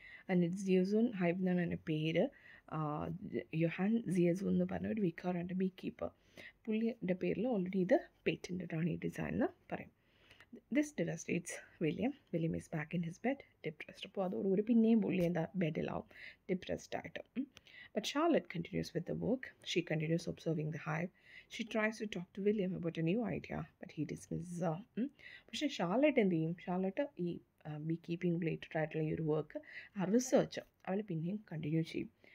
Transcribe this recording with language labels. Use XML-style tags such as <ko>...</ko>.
<ml>And സിയസോൺ hive എന്നാണ് എൻ്റെ പേര്. യൊഹാൻ സിയസോൺ എന്ന് പറഞ്ഞ ഒരു വിക്കർ ആൻഡ് ബീ കീപ്പർ. പുള്ളിയുടെ പേരിൽ ഓൾറെഡി ഇത് പേറ്റൻറ്റഡ് ആണ് ഈ ഡിസൈൻ എന്ന് പറയും.</ml> <en>This devastates William. William is back in his bed depressed.</en> <ml>അപ്പോൾ അതോടുകൂടി പിന്നെയും പുള്ളി എന്താ ബെഡിലാവും ഡിപ്രസ്ഡ് ആയിട്ട്.</ml> <en>But Charlotte continues with the work. She continues observing the hive. She tries to talk to William about a new idea, but he dismisses her.</en> <ml>പക്ഷെ Charlotte എന്ത് ചെയ്യും, Charlotte ഈ ബീ കീപ്പിംഗ് റിലേറ്റഡ് ആയിട്ടുള്ള ഈ ഒരു work ആ research അവൾ പിന്നെയും കണ്ടിന്യൂ ചെയ്യും.</ml>